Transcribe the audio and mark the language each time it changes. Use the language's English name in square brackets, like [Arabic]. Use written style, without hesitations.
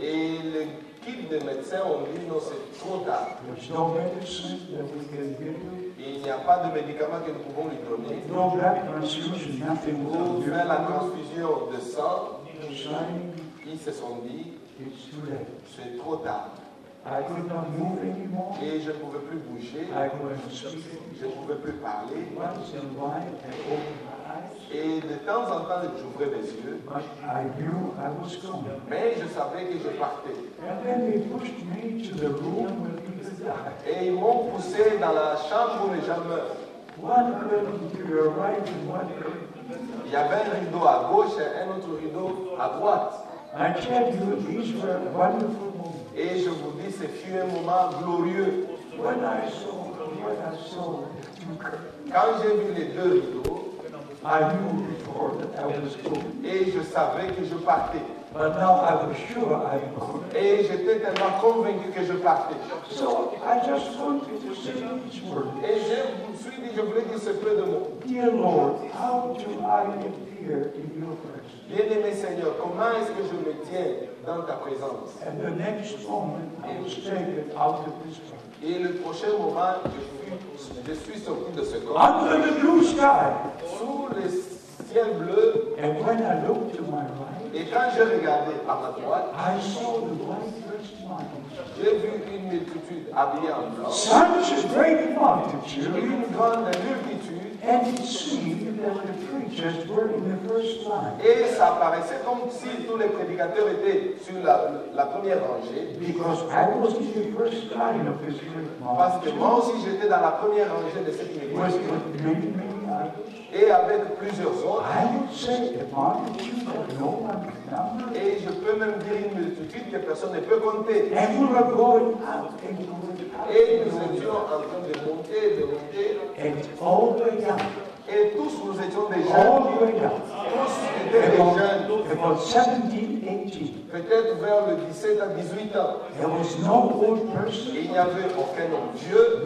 [French] Et l'équipe de médecins ont dit non, c'est trop tard. [English] There's no medicine that we can give you. [French] Il n'y a pas de médicament que nous pouvons lui donner. [English] No blood transfusion, nothing more. [French] Pour faire la transfusion de sang. [English] Shining. [French] Ils se sont dit, [English] it's too late. [French] C'est trop tard. [English] I could not move anymore. [French] Et je ne pouvais plus bouger. [English] I couldn't speak. [French] Je ne pouvais plus parler. [English] Once in a while, I opened my eyes. [French] Et de temps en temps, j'ouvrais mes yeux. [English] But I knew I was coming. [French] Mais je savais que je partais. [English] And then they pushed me to the room where people die. [French] Et ils m'ont poussé dans la chambre où les gens meurent. [English] One curtain to your right and one curtain. [French] Il y avait un rideau à gauche et un autre rideau à droite. [English] I tell you, these were wonderful moments. [French] Et je vous dis, ce fut un moment glorieux. [English] When I saw, [French] quand j'ai vu les deux rideaux, [English] I knew before that I was going. [French] Et je savais que je partais. [English] But now I was sure I was going. [French] Et j'étais tellement convaincu que je partais. [English] So I just wanted to say each word. [French] Et je vous suis dit, je voulais dire ce peu de mots. [English] Dear Lord, how do I appear in your presence? [French] Bien-aimé Seigneur, comment est-ce que je me tiens dans ta présence? [English] And the next moment, I was taken out of this place. [French] Et le prochain moment, je suis sorti de ce corps. [English] Under the blue sky. [French] Sous le ciel bleu. [English] And when I looked to my right. [French] Et quand je regardais à ma droite. [English] I saw the white dressed mountains. [French] J'ai vu une multitude habillée en blanc. [English] Such a great multitude. [French] Une grande multitude. [English] And it seemed that the preachers were in the first line. [French] Et ça paraissait comme si tous les prédicateurs étaient sur la première rangée. [English] Because I was in the first line of this great multitude. [French] Parce que moi aussi j'étais dans la première rangée de cette multitude. [English] With many, many others. [French] Et avec plusieurs autres. [English] I would say a multitude that no one can number. [French] Et je peux même dire une multitude que personne ne peut compter. [English] And we were going up and going up. [French] Et nous étions en train de monter et de monter. [English] And all the young. [French] Et tous nous étions des jeunes. [English] All the way down. [French] Tous étaient des jeunes. [English] About 17, 18. [French] Peut-être vers le 17 à 18 ans. [English] There was no old person. [French] Il n'y avait aucun homme vieux.